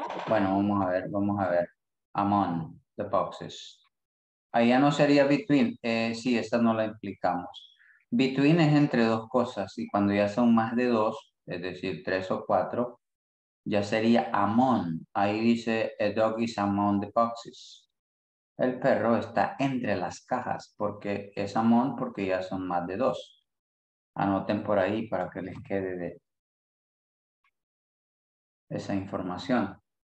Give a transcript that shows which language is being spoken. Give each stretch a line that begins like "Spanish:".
Spanish: Bueno, vamos a ver.
English: Among the boxes.
Spanish: Ahí ya no sería between. Sí, esa no la implicamos. Between es entre dos cosas y cuando ya son más de dos, es decir, tres o cuatro, ya sería among. Ahí dice,
English: a dog is among the boxes.
Spanish: El perro está entre las cajas porque es among porque ya son más de dos. Anoten por ahí para que les quede de esa información.